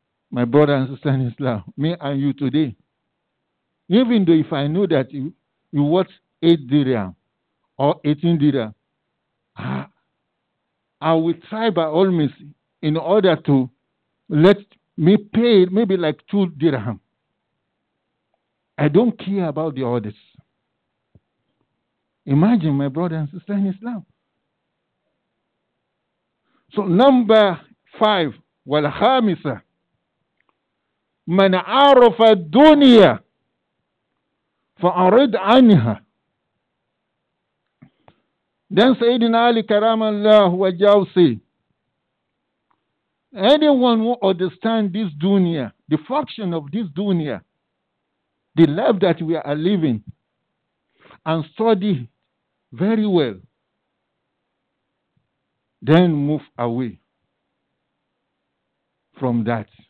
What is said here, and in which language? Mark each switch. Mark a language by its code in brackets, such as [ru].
[en] My brother and sister in Islam, me and you today, even though if I know that you worth 8 dirham or 18 dirham, I will try by all means in order to let me pay maybe like 2 dirham. I don't care about the others. Imagine, my brother and sister in Islam. So number 5, [ar] والخامسة من عرف الدنيا فأعرض عنها. [en] Then Sayyidina Ali Karamallahu Wajhahu say, anyone who understands this dunya, the function of this dunya, the life that we are living, and study very well, then move away from that.